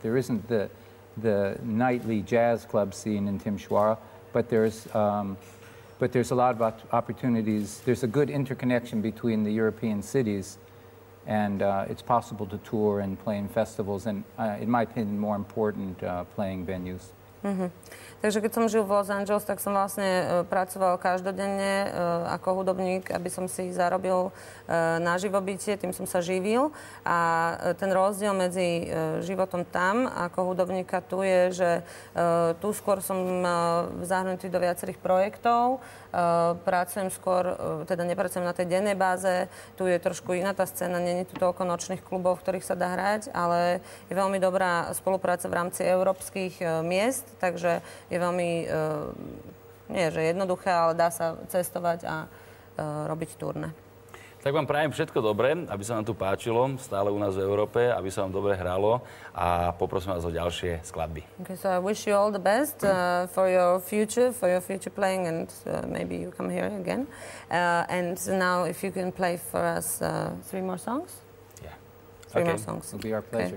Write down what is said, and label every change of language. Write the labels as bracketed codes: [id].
[en] There isn't the nightly jazz club scene in Timișoara, but there's a lot of opportunities. There's a good interconnection between the European cities, and it's possible to tour and play in festivals and, in my opinion, more important playing venues. Mm-hmm. [sk] Takže keď som žil v Los Angeles, tak som vlastne pracoval každodenne ako hudobník, aby som si zarobil na živobytie, tým som sa živil. A ten rozdiel medzi životom tam ako hudobníka tu je, že tu skôr som zahrnutý do viacerých projektov, pracujem skôr, teda nepracujem na tej dennej báze, tu je trošku iná tá scéna, nie je tu toľko nočných klubov, v ktorých sa dá hrať, ale je veľmi dobrá spolupráca v rámci európskych miest. Takže je veľmi, nie že jednoduché, ale dá sa cestovať a robiť turné. Tak vám prajem všetko dobré, aby sa vám tu páčilo stále u nás v Európe, aby sa vám dobre hralo a poprosím vás o ďalšie skladby. [en] Okay, so I wish you all the best for your future playing and maybe you come here again. And now if you can play for us three more songs? Yeah. Three more songs. It'll be our pleasure. Okay.